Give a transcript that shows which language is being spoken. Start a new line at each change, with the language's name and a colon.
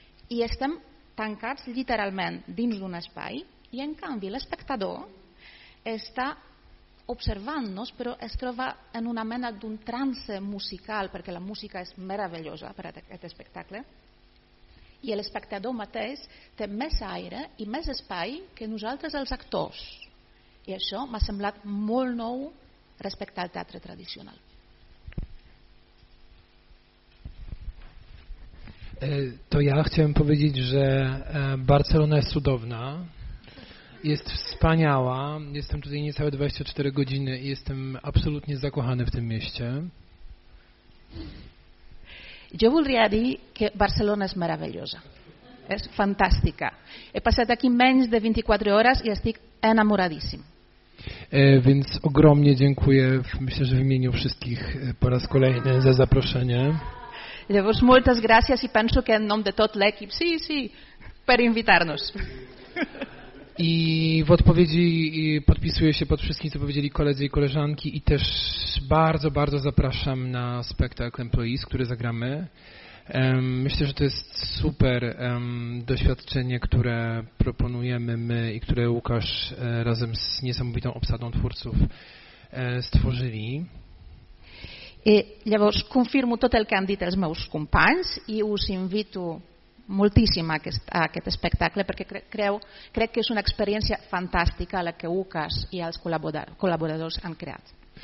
Catalan: i estem tancats literalment dins d'un espai i en canvi l'espectador està observant-nos però es troba en una mena d'un trance musical perquè la música és meravellosa per a aquest espectacle i l'espectador mateix té més aire i més espai que nosaltres els actors i això m'ha semblat molt nou respecte al teatre tradicional.
Polish: To ja chciałem powiedzieć, że Barcelona jest cudowna, jest wspaniała, jestem tutaj niecałe 24 godziny i jestem absolutnie zakochany w tym mieście.
Catalan: Jo voldria dir que Barcelona és meravellosa, és fantàstica. He passat aquí menys de 24 hores i estic enamoradíssim.
Polish: Więc ogromnie dziękuję, myślę, że w imieniu wszystkich po raz kolejny za zaproszenie.
Catalan: Llavors, moltes gràcies i penso que en nom de tot l'equip, sí, per invitar-nos.
Polish: I w odpowiedzi podpisuję się pod wszystkim, co powiedzieli koledzy i koleżanki i też bardzo, bardzo zapraszam na spektakl Employees, który zagramy. Myślę, że to jest super doświadczenie, które proponujemy my i które Łukasz razem z niesamowitą obsadą twórców stworzyli.
Catalan: I llavors confirmo tot el que han dit els meus companys i us invito moltíssim a aquest espectacle perquè crec que és una experiència fantàstica la que Łukasz i els col·laboradors han creat.